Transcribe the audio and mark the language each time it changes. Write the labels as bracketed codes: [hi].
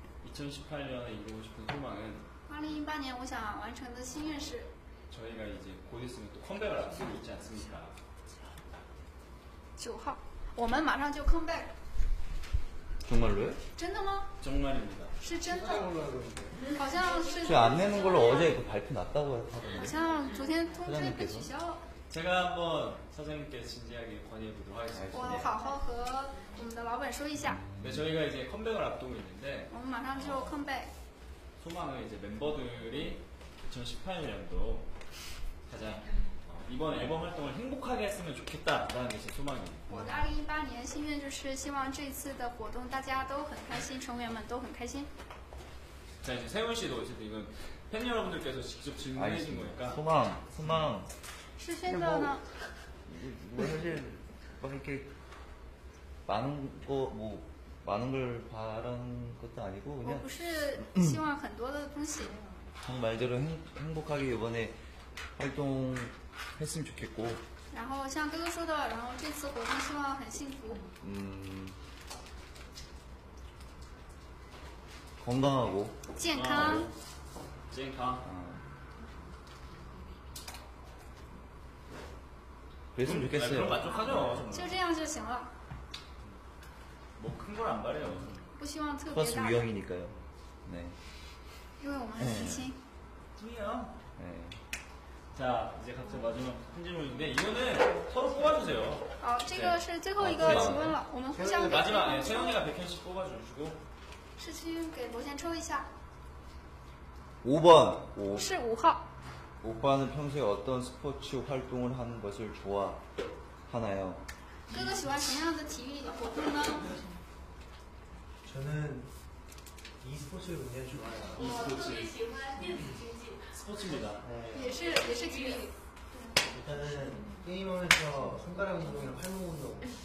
[ko] 2018년에 이루고 싶은 소망은 2018년에 [zh] 我想完成的心愿是 [ko] 저희가 이제 곧 있으면 또 컴백을 앞두고 있지 않습니까? [zh] 9号我们马上就comeback [ko] 정말로요? [zh] 真的吗? [ko] 정말입니다. [zh] 是真的好像是 [ko] 저희 안 내는 걸로 어제 그 발표 났다고 하던데 [zh] 好像昨天通知被取消 [ko] 제가 한번 사장님께 진지하게 건의해보도록 하겠습니다. [zh] 我好好和我们的老板说一下 [ko] 네, 저희가 이제 컴백을 앞두고 있는데 [zh] 我们马上就comeback [ko] 소망은 이제 멤버들이 2018년도 가장 이번 앨범 활동을 행복하게 했으면 좋겠다라는 게 제 소망입니다. 2018년 [zh] 心愿就是希望这次的活动大家都很开心，成员们都很开心。 [ko] 자 이제 세훈 씨도 어쨌든 이건 팬 여러분들께서 직접 질문해 주신 거니까 소망, 소망. [zh] 是真的呢。 [ko] 사실 막 이렇게 많은 거 뭐 많은 걸 바란 것도 아니고 그냥. [zh] 我不是希望很多的东西。 [ko] 정말대로 행복하게 이번에 활동 했으면 좋겠고. [zh] 然后像哥哥说的，然后这次活动希望很幸福。 [ko] 건강하고. [zh] 健康。健康。 [ko] 그랬으면 좋겠어요. 그럼 만족하죠. [zh] 就这样就行了。 [ko] 뭐 큰 걸 안 바래요. [zh] 不希望特别大。 [ko] 플러스 위형이니까요. 네. [zh] 因为我们很年轻。 [ko] 위형. 네. 자 이제 각자 마지막 한 질문인데 이거는 서로 뽑아주세요. [zh] 아,这个是最后一个提问了，我们互相。 [ko] 마지막 채영이가 100캔씩 뽑아주시고. [zh] 是去给罗先抽一下。 [ko] 5번. [zh] 是5号。 [ko] 오빠는 평소에 어떤 스포츠 활동을 하는 것을 좋아하나요? 그거 좋아하는 [zh] 体育活动呢? [ko] 저는 e스포츠를 굉장히 좋아해요. e스포츠. 스포츠입니다. [zh] 也是 体育. [ko] 일단은 게임하면서 손가락 운동이랑 팔목 운동.